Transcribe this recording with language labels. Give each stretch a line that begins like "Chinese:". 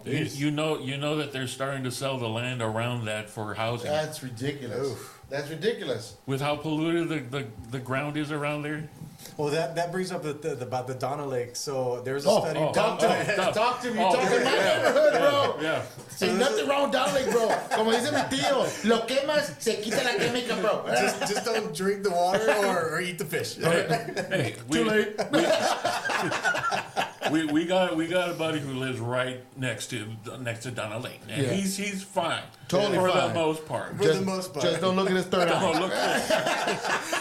English: You know that they're starting to sell the land around that for housing. That's ridiculous. Oof. That's ridiculous. With how polluted the ground is around there. Well, that brings up the about the Donna Lake. So there's a study. Talk to me. Talk to my neighborhood, bro. Yeah. Ain't nothing wrong with Donna Lake, bro.
Spanish: Como dice mi tío, lo quemas, se quita la química, bro.
English: Just don't drink the water or eat the fish. Too late. We got a buddy who lives right next to Donna Lake. And he's fine. Totally fine. For the most part. Just don't look at his third eye.